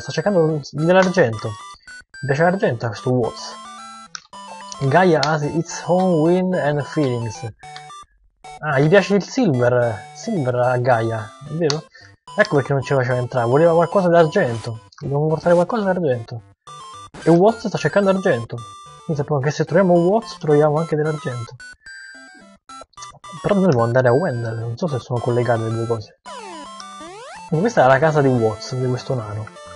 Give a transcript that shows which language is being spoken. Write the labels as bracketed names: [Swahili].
[Italian] Sta cercando dell'argento. Invece l'argento a questo Watts. [English] Gaia has its own wind and feelings. [Italian] Ah, gli piace il silver. Silver a Gaia, è vero? Ecco perché non ci faceva entrare. Voleva qualcosa d'argento. Dobbiamo portare qualcosa d'argento. E Watts sta cercando argento. Quindi sappiamo che se troviamo Watts troviamo anche dell'argento. Però noi dobbiamo andare a Wendell, non so se sono collegate le due cose. Quindi questa è la casa di Watts, di questo nano.